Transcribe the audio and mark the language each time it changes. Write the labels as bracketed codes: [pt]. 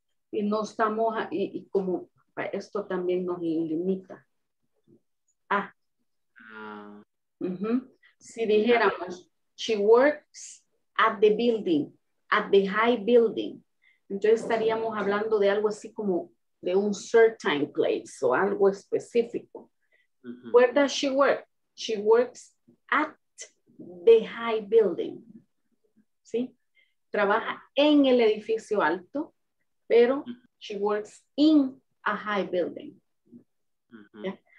[es] Y no estamos y como esto también nos limita. Ah. Uh-huh. Si dijéramos, [en] she works at the building, at the high building. [es] Entonces estaríamos hablando de algo así como de un [en] certain place [es] o algo específico. [en] Uh-huh. Where does she work? She works at the high building. ¿Sí? [es] Trabaja en el edificio alto, pero [en] she works in a high building. [es] Uh-huh. Yeah.